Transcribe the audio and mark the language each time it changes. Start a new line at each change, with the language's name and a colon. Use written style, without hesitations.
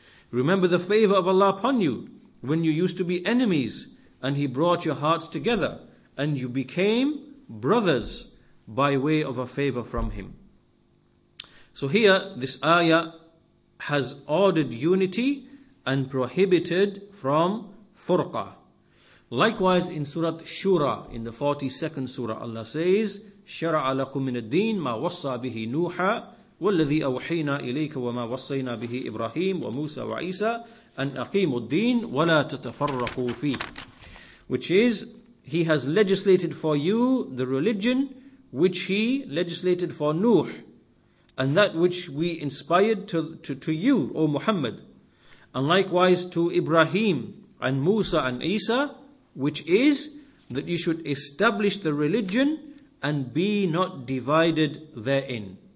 English: Remember the favor of Allah upon you when you used to be enemies, and He brought your hearts together, and you became brothers by way of a favor from Him. So here, this ayah has ordered unity and prohibited from furqa. Likewise, in Surah Shura, in the 42nd Surah, Allah says,
Arabic: شَرَعَ لَكُم مِّنَ الدِّينِ مَا وَصَّى بِهِ نُوحًا وَالَّذِي أَوْحَيْنَا إِلَيْكَ وَمَا وَصَّيْنَا بِهِ إِبْرَاهِيمَ وَمُوسَى وَعِيسَى أَنْ أَقِيمُوا الدِّينَ وَلَا تَتَفَرَّقُوا فِيهِ.
English: Which is, He has legislated for you the religion which He legislated for Nuh, and that which we inspired to you, O Muhammad, and likewise to Ibrahim and Musa and Isa, which is that you should establish the religion and be not divided therein.